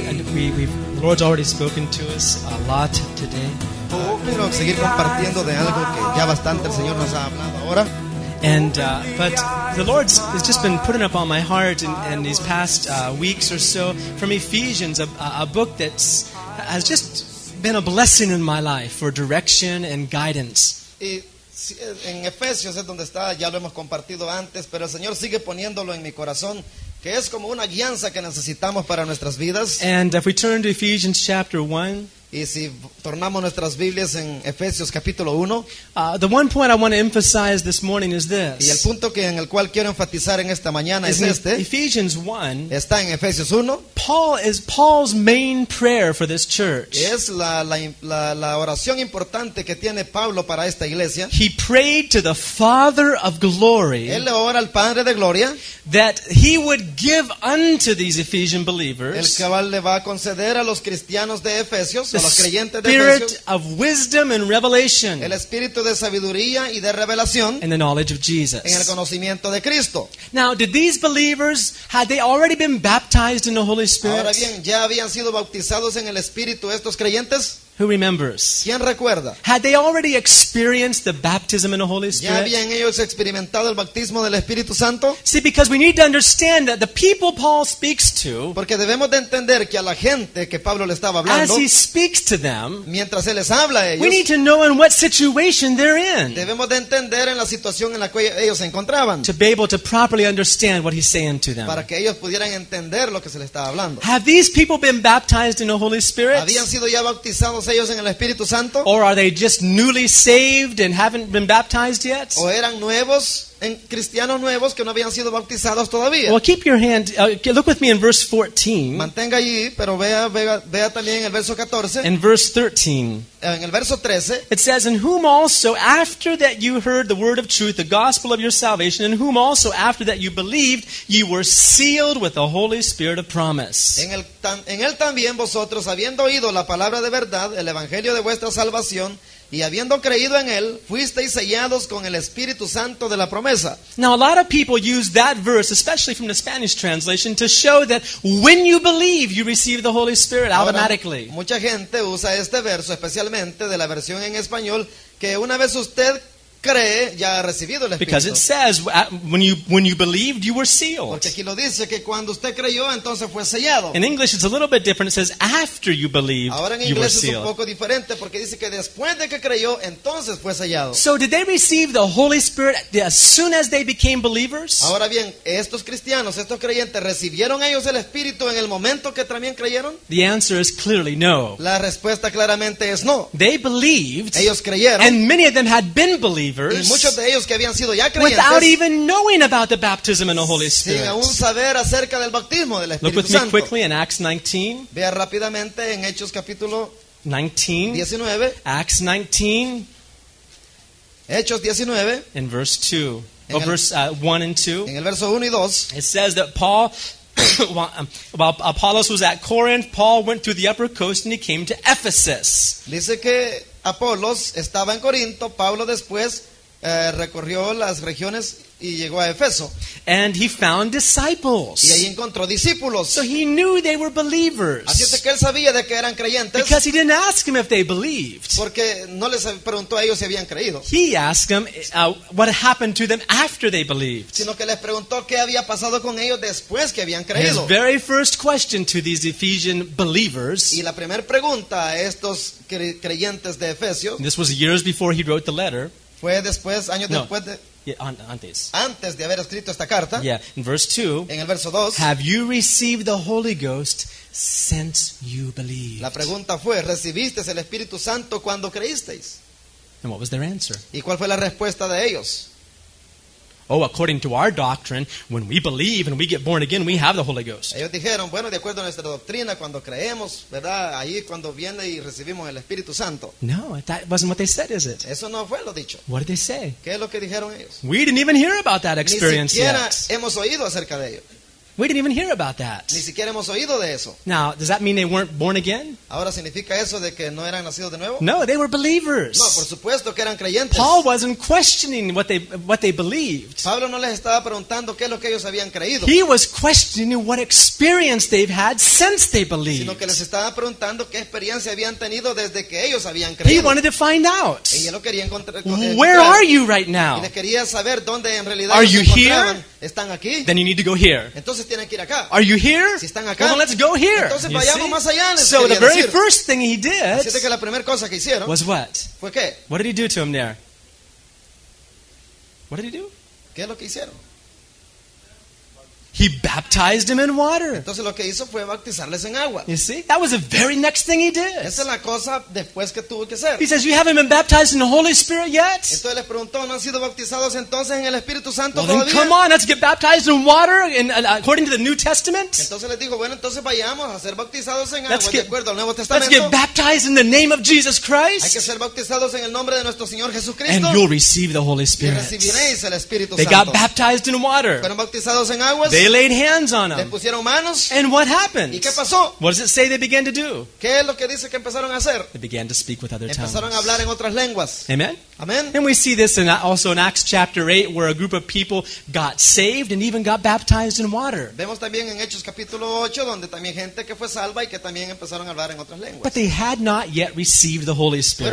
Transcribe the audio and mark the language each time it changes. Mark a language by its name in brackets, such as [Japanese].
[English] The Lord's already spoken to us a lot today. [Spanish] Quiero seguir compartiendo de algo que ya bastante el Señor nos ha hablado ahora. [English] And but the Lord has just been putting up on my heart in these past weeks or so from Ephesians, a book that has just been a blessing in my life for direction and guidance. [Spanish] En Efesios es donde está, ya lo hemos compartido antes, pero el Señor sigue poniéndolo en mi corazón, que es como una guianza que necesitamos para nuestras vidas. [English] And if we turn to Ephesians chapter 1, [Spanish] y si tornamos nuestras Biblias en Efesios capítulo 1, [English] the one point I want to emphasize this morning is this. [Spanish] Y el punto que en el cual quiero enfatizar en esta mañana es este. [English] Ephesians 1. [Spanish] Está en Efesios 1. [English] Paul is Paul's main prayer for this church. [Spanish] Es la oración importante que tiene Pablo para esta iglesia. [English] He prayed to the Father of glory. [Spanish] Él ora al Padre de gloria. [English] That he would give unto these Ephesian believers. [Spanish] El cual le va a conceder a los cristianos de Efesios. [English] Spirit of wisdom and revelation, [Spanish] el espíritu de sabiduría y de revelación, [English] and the knowledge of Jesus, [Spanish] en el conocimiento de Cristo. [English] Now, did these believers, had they already been baptized in the Holy Spirit? [Spanish] Ahora bien, ¿ya habían sido bautizados en el espíritu estos creyentes? [English] Who remembers? [Spanish] ¿Quién recuerda? [English] Had they already experienced the baptism in the Holy Spirit? [Spanish] ¿Ya habían ellos experimentado el bautismo del Espíritu Santo? [English] See, because we need to understand that the people Paul speaks to, [Spanish] porque debemos de entender que a la gente que Pablo le estaba hablando, [English] as he speaks to them, [Spanish] mientras él les habla a ellos, [English] we need to know in what situation they're in. [Spanish] Debemos de entender en la situación en la cual ellos se encontraban, [English] to be able to properly understand what he's saying to them, [Spanish] para que ellos pudieran entender lo que se les estaba hablando. [English] Have these people been baptized in the Holy Spirit? [Spanish] ¿Habían sido ya bautizados ellos en el Espíritu Santo? [English] Or are they just newly saved and haven't been baptized yet? [Spanish] ¿O eran nuevos, en cristianos nuevos que no habían sido bautizados todavía? [English] Well, keep your hand, look with me in verse 14. [Spanish] Mantenga allí, pero vea también en el verso 14. [English] In verse 13. [Spanish] En el verso 13. [English] It says, in whom also after that you heard the word of truth, the gospel of your salvation, in whom also after that you believed, you were sealed with the Holy Spirit of promise. [Spanish] En él también vosotros, habiendo oído la palabra de verdad, el evangelio de vuestra salvación, y habiendo creído en él, fuisteis sellados con el Espíritu Santo de la promesa. [English] Now, a lot of people use that verse, especially from the Spanish translation, to show that when you believe, you receive the Holy Spirit automatically. [Spanish] Ahora, mucha gente usa este verso, especialmente de la versión en español, que una vez usted cree, ya ha recibido el Espíritu. [English] Because it says, when you believed, you were sealed. [Spanish] Porque aquí lo dice, que cuando usted creyó, entonces fue sellado. [English] In English, it's a little bit different. It says, after you believed, [Spanish] Ahora en inglés es un poco diferente, porque dice que después de que creyó, entonces fue sellado. [English] So, did they receive the Holy Spirit as soon as they became believers? [Spanish] Ahora bien, estos cristianos, estos creyentes, ¿recibieron ellos el Espíritu en el momento que también creyeron? [English] The answer is clearly no. [Spanish] La respuesta claramente es no. [English] They believed. [Spanish] Ellos creyeron. [English] And many of them had been believers. [Spanish] Y muchos de ellos que habían sido ya creyentes, [English] without even knowing about the baptism in the Holy Spirit. [Spanish] Sin aún saber acerca del bautismo del Espíritu Santo. [English] Look me quickly in Acts 19. [Spanish] Vea rápidamente en Hechos capítulo [English] 19. Acts 19. [Spanish] Hechos 19. [English] In verse 2. Oh, verse 1 and 2. [Spanish] En el verso 1 y 2. [English] It says that Paul, while Apollos was at Corinth, Paul went through the upper coast and he came to Ephesus. [Spanish] Dice que Apolos estaba en Corinto, Pablo después recorrió las regiones y llegó a Éfeso. [English] And he found disciples. [Spanish] Y ahí encontró discípulos. [English] So he knew they were believers. [Spanish] Así es que él sabía de que eran creyentes. [English] Because he didn't ask them if they believed. [Spanish] Porque no les preguntó a ellos si habían creído. [English] He asked them what happened to them after they believed. [Spanish] Sino que les preguntó qué había pasado con ellos después que habían creído. [English] His very first question to these Ephesian believers. [Spanish] Y la primera pregunta a estos creyentes de Efesios. [English] This was years before he wrote the letter. [Spanish] Fue después, años no. después de... Yeah, antes. Antes de haber escrito esta carta. [English] Yeah, in verse 2. [Spanish] En el verso 2. [English] Have you received the Holy Ghost since you believed? [Spanish] La pregunta fue, ¿recibisteis el Espíritu Santo cuando creísteis? [English] And what was their answer? [Spanish] ¿Y cuál fue la respuesta de ellos? [English] Oh, according to our doctrine, when we believe and we get born again, we have the Holy Ghost. [Spanish] Ellos dijeron, bueno, de acuerdo a nuestra doctrina, cuando creemos, ¿verdad? Ahí cuando viene y recibimos el Espíritu Santo. [English] No, that wasn't what they said, is it? [Spanish] Eso no fue lo dicho. [English] What did they say? [Spanish] ¿Qué es lo que dijeron ellos? [English] We didn't even hear about that experience yet. [Spanish] Ni siquiera hemos oído acerca de ello. [English] We didn't even hear about that. [Spanish] Ni siquiera hemos oído de eso. [English] Now, does that mean they weren't born again? [Spanish] ¿Ahora significa eso de que no eran nacidos de nuevo? [English] No, they were believers. [Spanish] No, por supuesto que eran creyentes. [English] Paul wasn't questioning what they believed. [Spanish] Pablo no les estaba preguntando qué es lo que ellos habían creído. [English] He was questioning what experience they've had since they believed. [Spanish] Sino que les estaba preguntando qué experiencia habían tenido desde que ellos habían creído. [English] He wanted to find out. [Spanish] Y él lo quería encontrar. [English] Where are you right now? [Spanish] Y les quería saber dónde en realidad. [English] Are you here? [Spanish] Están aquí. [English] Then you need to go here. [Spanish] Entonces tienen que ir acá. [English] Are you here? [Spanish] Si están acá. [English] Well, then let's go here. [Spanish] Entonces vayamos más allá. [English] So the very first thing he did. [Spanish] Así que la primera cosa que hicieron. [English] Was what? [Spanish] Fue qué? [English] What did he do to him there? What did he do? [Spanish] ¿Qué es lo que hicieron? [English] He baptized him in water. [Spanish] Entonces lo que hizo fue bautizarles en agua. [English] You see? That was the very next thing he did. [Spanish] Esa es la cosa después que tuvo que hacer. [English] He says, you haven't been baptized in the Holy Spirit yet? [Spanish] Entonces les preguntó, ¿no han sido bautizados entonces en el Espíritu Santo todavía? [English] Well, come on, let's get baptized in water according to the New Testament. [Spanish] Entonces les dijo, bueno, entonces vayamos a ser bautizados en agua de acuerdo al Nuevo Testamento. [English] Let's get baptized in the name of Jesus Christ. [Spanish] Hay que ser bautizados en el nombre de nuestro Señor Jesucristo. [English] And you'll receive the Holy Spirit. [Spanish] Y recibiréis el Espíritu Santo. [English] They got baptized in water. [Spanish] Fueron bautizados en agua. [English] They laid hands on them. [Spanish] Le pusieron manos. [English] And what happened? [Spanish] ¿Y qué pasó? [English] What does it say they began to do? [Spanish] ¿Qué es lo que dice que empezaron a hacer? [English] They began to speak with other tongues. [Spanish] Empezaron a hablar en otras lenguas. [English] Amen? [Spanish] Amen. [English] And we see this also in Acts chapter 8, where a group of people got saved and even got baptized in water. [Spanish] Vemos también en Hechos capítulo 8, donde también gente que fue salva y que también empezaron a hablar en otras lenguas. [English] But they had not yet received the Holy Spirit.